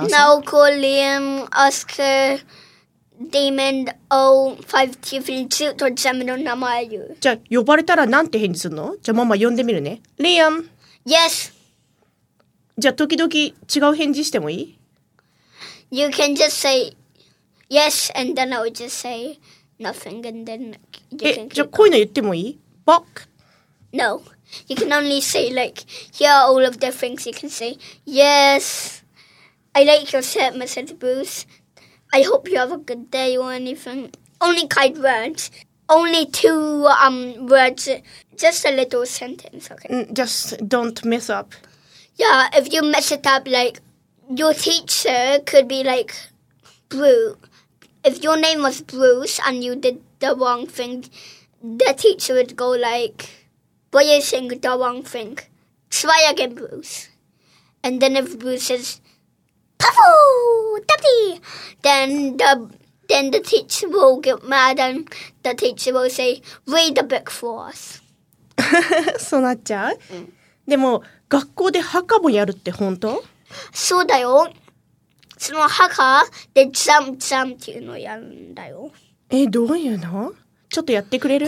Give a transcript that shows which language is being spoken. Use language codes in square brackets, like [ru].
[en] No, call Liam, Oscar, Damon, O5 Tiffany, Jude or Gemma [ja] の名前言う。じゃあ呼ばれたらなんて返事するの?じゃあママ呼んでみるね。 [en] Liam! Yes! [ja] じゃあ時々違う返事してもいい? [en] You can just say yes and then I'll just say nothing and then you can keep [ja] じゃあこういうの言ってもいい? Bok? [en] No. You can only say like here are all of the things you can say. Yes. I like your shirt, Mrs. Bruce. I hope you have a good day or anything. Only kind words. Only two words. Just a little sentence, okay? Just don't mess up. Yeah, if you mess it up, like, your teacher could be, like, Bruce. If your name was Bruce and you did the wrong thing, the teacher would go, like, why are you saying the wrong thing? Try again, Bruce. And then if Bruce says, Puffo! then the teacher will get mad and the teacher will say, read the book for us. [ja] そうなっちゃう、うん、でも学校で墓もやるって本当？そうだよ。その墓でジャンジャンっていうのをやるんだよ。え、どういうの？ちょっとやってくれる？